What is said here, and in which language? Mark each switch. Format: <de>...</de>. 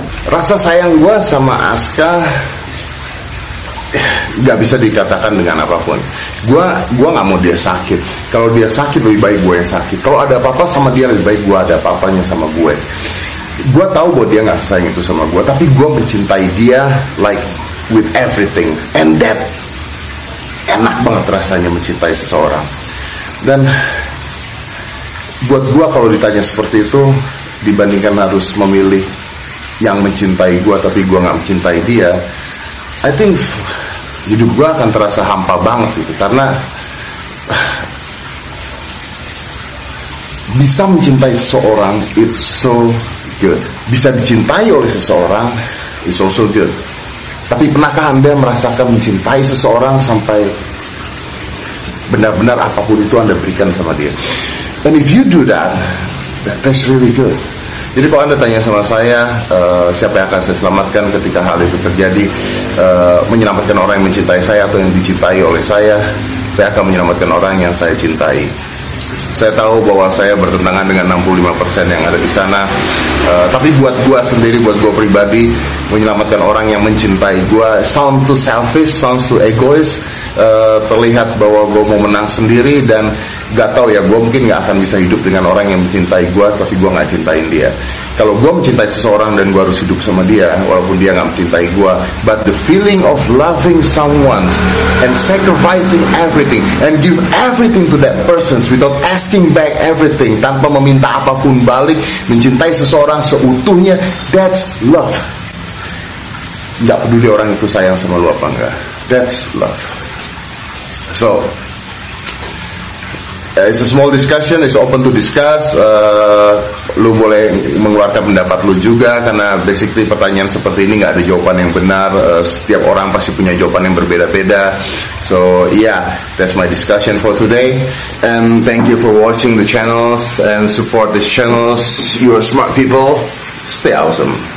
<id>Rasa sayang gua sama Aska gak bisa dikatakan dengan apapun. Gue gak mau dia sakit. Kalau dia sakit lebih baik gue yang sakit. Kalau ada apa-apa sama dia lebih baik gue ada apa-apanya sama gue. Gue tahu bahwa dia gak sayang itu sama gue. Tapi gue mencintai dia</id> <en>like with everything. And that</en> <id>enak banget rasanya mencintai seseorang. Dan buat gue kalau ditanya seperti itu, dibandingkan harus memilih yang mencintai gue tapi gue gak mencintai dia,</id> <en>I think</en> <id>hidup gue akan terasa hampa banget gitu. Karena bisa mencintai seseorang,</id> <en>it's so good.</en> <id>Bisa dicintai oleh seseorang,</id> <en>it's also good.</en> <id>Tapi pernahkah Anda merasakan mencintai seseorang sampai benar-benar apapun itu Anda berikan sama dia?</id> <en>And if you do that, that's really good.</en> <id>Jadi kalau Anda tanya sama saya, siapa yang akan saya selamatkan ketika hal itu terjadi, menyelamatkan orang yang mencintai saya atau yang dicintai oleh saya akan menyelamatkan orang yang saya cintai. Saya tahu bahwa saya bertentangan dengan 65% yang ada di sana, tapi buat gua sendiri, buat gua pribadi, menyelamatkan orang yang mencintai gua</id> <en>sound too selfish, sounds too egoist,</en> <id>terlihat bahwa gua mau menang sendiri dan gak tahu ya, gua mungkin gak akan bisa hidup dengan orang yang mencintai gua tapi gua gak cintain dia. Kalau gua mencintai seseorang dan gua harus hidup sama dia walaupun dia gak mencintai gua,</id> <en>but the feeling of loving someone and sacrificing everything and give everything to that person without asking back everything,</en> <id>tanpa meminta apapun balik, mencintai seseorang seutuhnya,</id> <en>that's love.</en> <id>Gak peduli orang itu sayang sama lu apa enggak,</id> <en>that's love.</en> <id>So</id> <en>It's a small discussion, it's open to discuss.</en> <id>Lu boleh mengeluarkan pendapat lu juga, karena basically pertanyaan seperti ini gak ada jawaban yang benar. Setiap orang pasti punya jawaban yang berbeda-beda.</id> <en>So yeah, that's my discussion for today. And thank you for watching the channels and support this channels. You are smart people. Stay awesome.</en>